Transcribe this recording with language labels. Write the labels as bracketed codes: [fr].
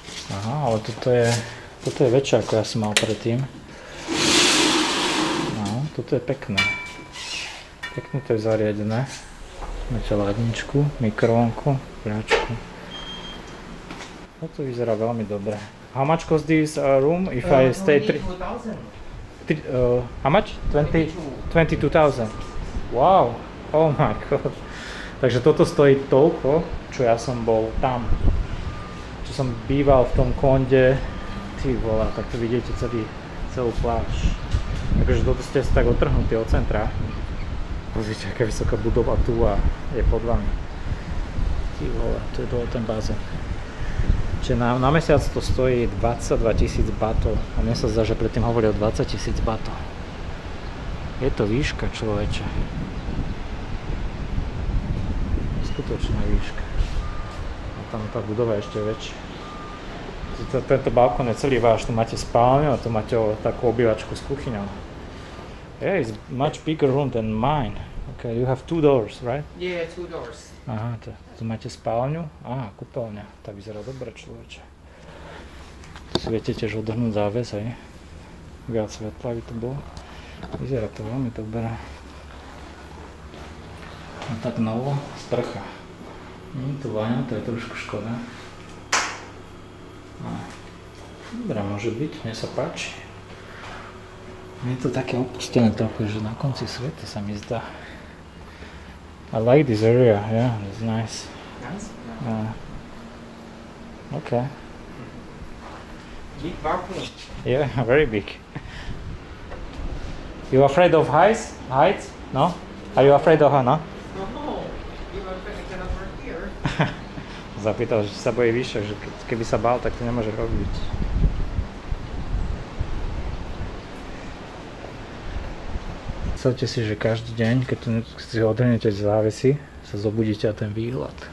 [sk] Aha, ale toto je väčšie ako ja som mal predtým. No, toto je pekné. Pekné to je zariadené. Máte ládničku, mikrovlnku, pľačku. Toto vyzerá veľmi dobre. [en] How much cost this room if I stay 22,000. Wow. Oh my god. [sk] Takže toto stojí toľko, čo ja som bol tam. Čo som býval v tom konde. [cs] Ty vole, [sk] tak to vidíte celú pláž. Takže toto ste si tak otrhnutí od centra. Pozrite, aká vysoká budova tu a je pod vami. [cs] Ty vole, [sk] to je dole ten bazén. Čiže na mesiac to stojí 22,000 bahtov. A mne sa zdá, že predtým hovorí o 20,000 bahtov. Je to výška, človeče. Skutočná výška. A tam tá budova je ešte väčšia. Tento balkón je celý váš. Tu máte spálňu a tu máte takú obývačku s kuchyňou. [en] Yeah, it's much bigger room than mine. Okay, you have two doors, right? Yeah, two doors. [sk] Aha, tu máte spálňu? Aha, kúpeľňa. Tá vyzerá dobre, človeče. Tu si viete tiež odhrnúť záves, hej? Viac svetla by to bolo. Vyzerá to veľmi dobre. A tak novo, sprcha. Nie je tu vaňa, to je trošku škoda. Dobre, môže byť, mne sa páči. Je to také opustené trochu, že na konci sveta sa mi zdá. [en] I like this area, yeah, it's nice. Nice? Yeah. Okay. Big balcony. Yeah, very big. You afraid of heights? Heights? No? Are you afraid of her, no? No, no. You are afraid of her here. [sk] Zapýtal, že sa bojí vyššie, že keby sa bál, tak to nemôže robiť. Predstavte si, že každý deň, keď tu si odhrnete závesy, sa zobudíte a ten výhľad.